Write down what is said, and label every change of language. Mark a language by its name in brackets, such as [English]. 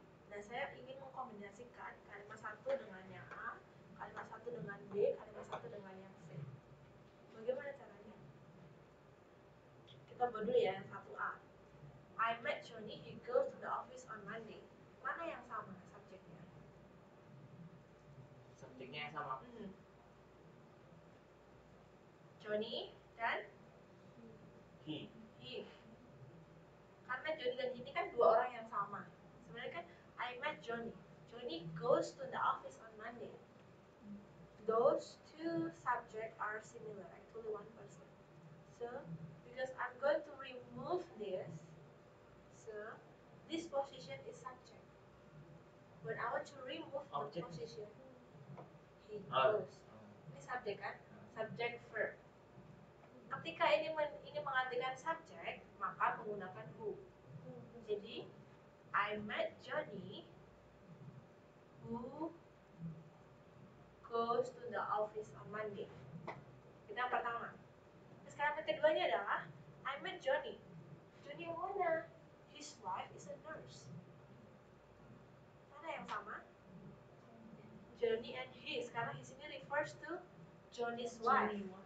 [Indonesian] Nah, saya ingin mengkombinasikan kalimat satu dengan yang A, kalimat satu dengan B, kalimat satu dengan yang C. Bagaimana caranya? Kita buat dulu ya, yang satu A. [English] I met Johnny, he goes to the office on Monday. [Indonesian] Mana yang sama subjeknya? Subjeknya yang sama. Johnny dan [English] he. [Indonesian] Karena Johnny dan ini kan dua orang yang sama. Sebenarnya kan [English] I met Johnny. Johnny goes to the office on Monday. Those two subjects are similar. I told one person. So because I'm going to remove this, so this position is subject. When I want to remove object. The position, he goes. [Indonesian] Ini subject kan? [English] Subject verb. [Indonesian] Ketika ini mengartikan subjek, maka menggunakan who. [English] Jadi, I met Johnny who goes to the office on Monday. [Indonesian] Itu yang pertama. Sekarang yang keduanya adalah, [English] I met Johnny. [Indonesian] Johnny mana? [English] His wife is a nurse. [Indonesian] Mana yang sama? [English] Johnny and he. [Indonesian] Sekarang his ini refers to Johnny's wife.